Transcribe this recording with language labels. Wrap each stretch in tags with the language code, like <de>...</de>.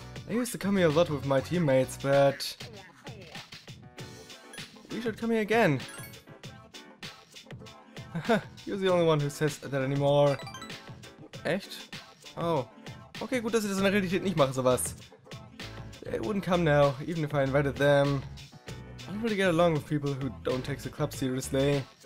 <en>I used to come here a lot with my teammates, but... we should come here again. You're the only one who says that anymore.</en> <de>Echt? Oh. Okay, gut, dass ich das in der Realität nicht mache, sowas.</de> <en>They wouldn't come now, even if I invited them. I don't really get along with people who don't take the club seriously.</en>